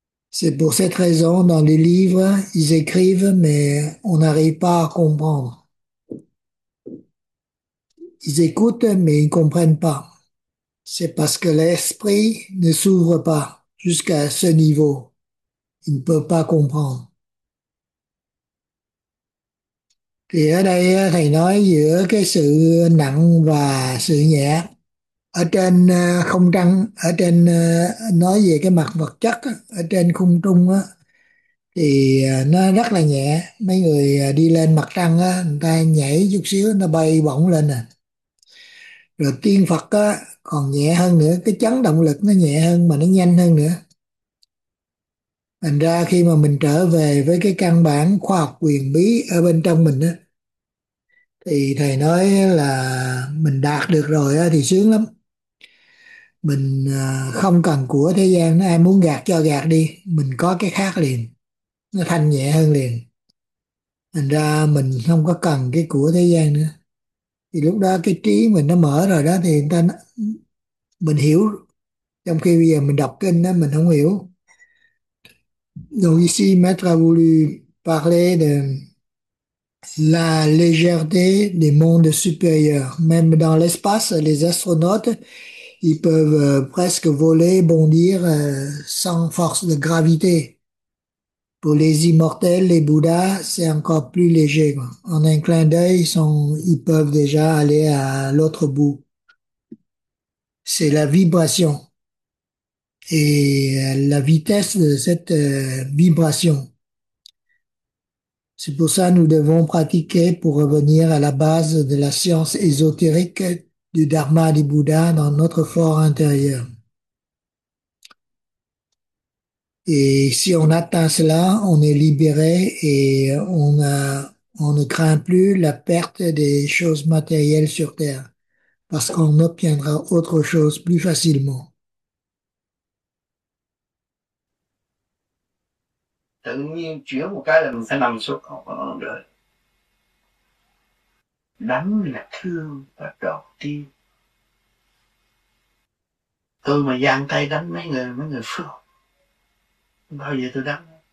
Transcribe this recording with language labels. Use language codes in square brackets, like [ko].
[fr] C'est pour cette raison, dans les livres, ils écrivent, mais on n'arrive pas à comprendre. Ils écoutent, mais ils ne comprennent pas. C'est parce que l'esprit ne s'ouvre pas jusqu'à ce niveau. Il ne peut pas comprendre. [vi] Thì ở đây, thầy nói giữa cái sự nặng và sự nhẹ. Ở trên không trăng, ở trên nói về cái mặt vật chất ở trên không trung á thì nó rất là nhẹ, mấy người đi lên mặt trăng á, người ta nhảy chút xíu nó bay bổng lên à. Rồi tiên Phật á còn nhẹ hơn nữa, cái chấn động lực nó nhẹ hơn mà nó nhanh hơn nữa. Thành ra khi mà mình trở về với cái căn bản khoa học quyền bí ở bên trong mình á, thì thầy nói là mình đạt được rồi á, thì sướng lắm. Mình không cần của thế gian, ai muốn gạt cho gạt đi, mình có cái khác liền, nó thanh nhẹ hơn liền. Thành ra mình không có cần cái của thế gian nữa. Thì lúc đó cái trí mình nó mở rồi đó, thì người ta mình hiểu, trong khi bây giờ mình đọc kinh đó mình không hiểu. [fr] Donc ici, Maître a voulu parler de la légèreté des mondes supérieurs. Même dans l'espace, les astronautes, ils peuvent presque voler, bondir sans force de gravité. Pour les immortels, les Bouddhas, c'est encore plus léger, quoi. En un clin d'œil, ils peuvent déjà aller à l'autre bout. C'est la vibration. Et la vitesse de cette vibration. C'est pour ça que nous devons pratiquer pour revenir à la base de la science ésotérique du Dharma du Bouddha dans notre fort intérieur. Et si on atteint cela, on est libéré et on ne craint plus la perte des choses matérielles sur Terre, parce qu'on obtiendra autre chose plus facilement. [vi] Tự nhiên chuyển một cái là mình phải nằm xuống không còn đời. Đắng là thương và đọt tim. Tôi mà giang tay đánh mấy người phước, bao giờ tôi đắng.